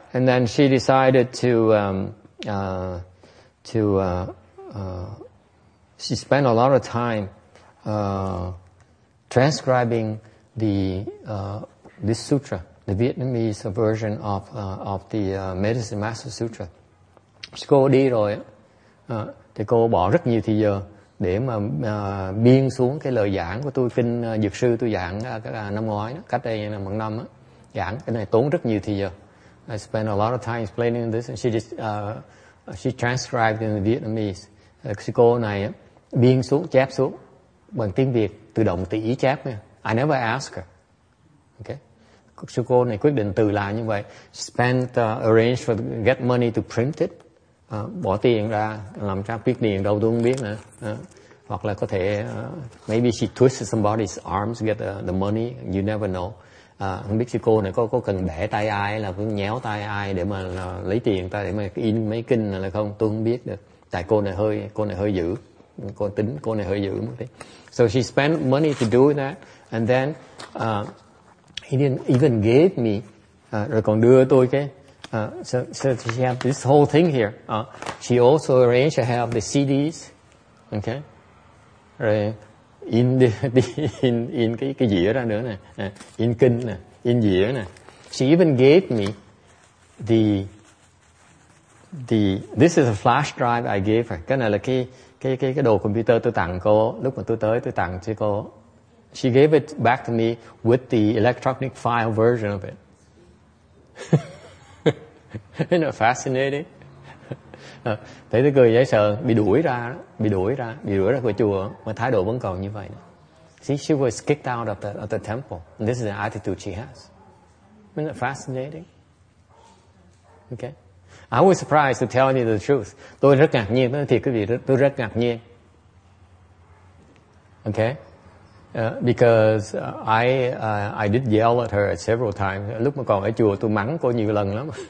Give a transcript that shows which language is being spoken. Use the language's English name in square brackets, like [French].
[English] And then she decided she spent a lot of time transcribing this sutra, the Vietnamese version of the Medicine Master Sutra. [Vietnamese] Cô đi rồi, thì cô bỏ rất nhiều thời giờ để mà biên xuống cái lời giảng của tôi, kinh dược sư tôi giảng năm ngoái, cách đây là một năm, giảng cái này tốn rất nhiều thời giờ. [English] I spent a lot of time explaining this, and she transcribed in the Vietnamese. [Vietnamese] Cái cô này biên xuống, chép xuống bằng tiếng Việt, tự động tự ý chép nha. [English] I never asked her. [Vietnamese] Okay. Cô này quyết định tự làm như vậy. [English] Spent arrange for get money to print it. [Vietnamese] Bỏ tiền ra làm ra quyết định đâu tôi không biết nữa. Hoặc là có thể [English] maybe she twisted somebody's arms to get the money. You never know. [Vietnamese] Không biết sư cô này có cần bẻ tay ai, là cứ nhéo tay ai để mà lấy tiền ta để mà in mấy kinh này là không, tôi không biết được. Tại cô này hơi dữ, cô này hơi dữ một tí. [English] So she spent money to do that, and then He didn't even give me. [Vietnamese] Rồi còn đưa tôi cái. [English] So she have this whole thing here. She also arranged to have the CDs. Okay. [Vietnamese] Rồi in cái dĩa ra nữa nè. In kinh nè. In dĩa nè. [English] She even gave me the this is a flash drive I gave her. [Vietnamese] Cái này là cái đồ computer tôi tặng cô lúc mà tôi tặng cho cô. [English] She gave it back to me with the electronic file version of it. Isn't that fascinating? [Vietnamese] Thấy tôi cười dễ sợ, bị đuổi ra đó, bị đuổi ra khỏi chùa mà thái độ vẫn còn như vậy. [English] See, she was kicked out of the temple. And this is the attitude she has. Isn't that fascinating? Okay. I was surprised to tell you the truth. [Vietnamese] Tôi rất ngạc nhiên, nói thiệt quý vị, tôi rất ngạc nhiên. [English] Okay. Because I did yell at her several times. [Vietnamese] Lúc mà còn ở chùa, tôi mắng cô nhiều lần lắm.